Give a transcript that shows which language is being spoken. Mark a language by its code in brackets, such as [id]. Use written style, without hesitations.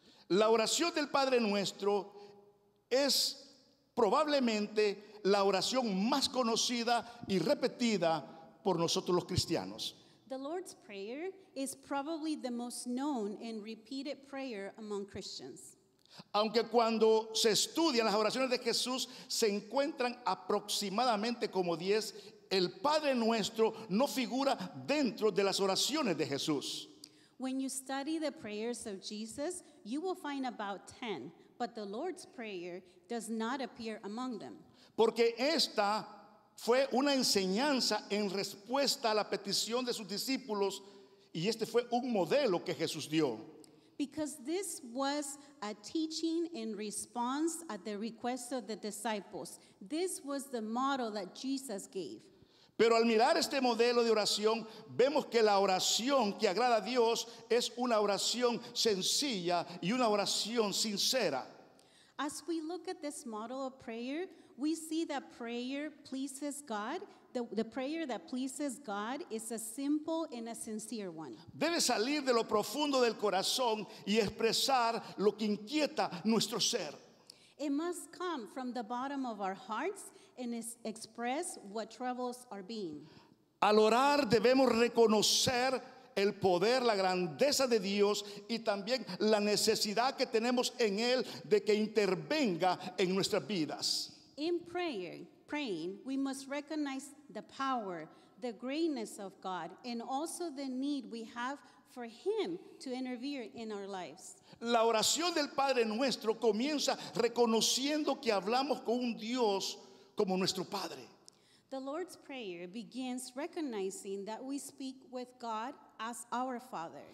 [es] La oración del Padre Nuestro es probablemente la oración más conocida y repetida por nosotros los cristianos. [en] The Lord's Prayer is probably the most known and repeated prayer among Christians. [es] Aunque cuando se estudian las oraciones de Jesús se encuentran aproximadamente como 10, el Padre Nuestro no figura dentro de las oraciones de Jesús. [en] When you study the prayers of Jesus, you will find about 10. But the Lord's Prayer does not appear among them. [es] Porque esta fue una enseñanza en respuesta a la petición de sus discípulos, y este fue un modelo que Jesús dio. [en] Because this was a teaching in response at the request of the disciples. This was the model that Jesus gave. [es] Pero al mirar este modelo de oración, vemos que la oración que agrada a Dios es una oración sencilla y una oración sincera. [en] As we look at this model of prayer, we see that prayer pleases God. The prayer that pleases God is a simple and a sincere one. [es] Debe salir de lo profundo del corazón y expresar lo que inquieta nuestro ser. [en] It must come from the bottom of our hearts and express what troubles our being. [es] Al orar debemos reconocer el poder, la grandeza de Dios y también la necesidad que tenemos en Él de que intervenga en nuestras vidas. [en] In praying, we must recognize the power, the greatness of God, and also the need we have for Him to intervene in our lives. [es] La oración del Padre Nuestro comienza reconociendo que hablamos con un Dios como nuestro Padre. [en] The Lord's Prayer begins recognizing that we speak with God as our Father.